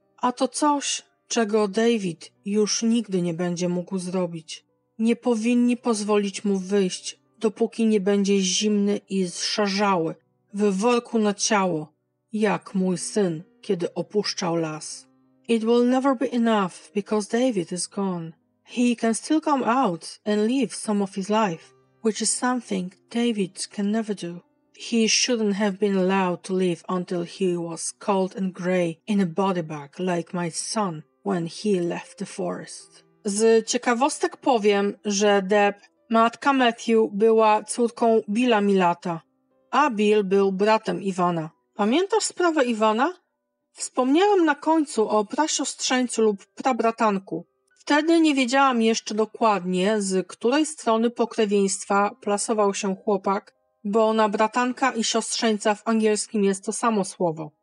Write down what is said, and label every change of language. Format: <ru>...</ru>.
<pl>A to coś, czego David już nigdy nie będzie mógł zrobić. Nie powinni pozwolić mu wyjść, dopóki nie będzie zimny i zszarzały, w worku na ciało, jak mój syn, kiedy opuszczał las.</pl> <en>It will never be enough, because David is gone. He can still come out and live some of his life, which is something David can never do. He shouldn't have been allowed to live until he was cold and gray in a body bag like my son when he left the forest.</en> <pl>Z ciekawostek powiem, że Deb, matka Matthew, była córką Billa Milata, a Bill był bratem Iwana. Pamiętasz sprawę Iwana? Wspomniałam na końcu o prasiostrzeńcu lub prabratanku. Wtedy nie wiedziałam jeszcze dokładnie, z której strony pokrewieństwa plasował się chłopak, bo na bratanka i siostrzeńca w angielskim jest to samo słowo.</pl>